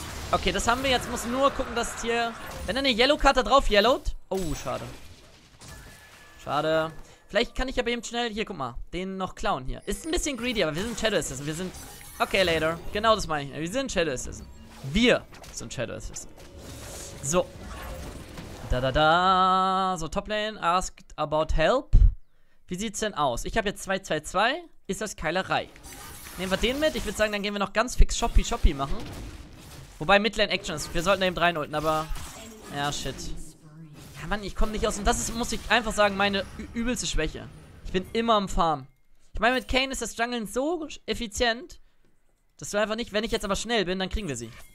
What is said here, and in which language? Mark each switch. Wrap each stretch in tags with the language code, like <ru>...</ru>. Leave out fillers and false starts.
<de>Okay, das haben wir jetzt. Muss nur gucken, dass hier. Wenn er eine Yellow-Karte drauf yellowt. Oh, schade. Schade. Vielleicht kann ich aber eben schnell. Hier, guck mal. Den noch klauen hier. Ist ein bisschen greedy, aber wir sind Shadow Assassin. Wir sind. Okay, later. Genau das meine ich. Wir sind Shadow Assassin. Wir sind Shadow Assassin. So. Da.</de> <en>So, Toplane asked about help.</en> <de>Wie sieht's denn aus? Ich habe jetzt 2-2-2. Ist das Keilerei? Nehmen wir den mit. Ich würde sagen, dann gehen wir noch ganz fix Shoppy machen. Wobei Midlane Actions. Wir sollten da eben rein ulten, aber. Ja, shit. Ja, Mann, ich komme nicht aus. Und das ist, muss ich einfach sagen, meine übelste Schwäche. Ich bin immer am Farm. Ich meine, mit Kane ist das Jungeln so effizient, dass du einfach nicht. Wenn ich jetzt aber schnell bin, dann kriegen wir sie.</de>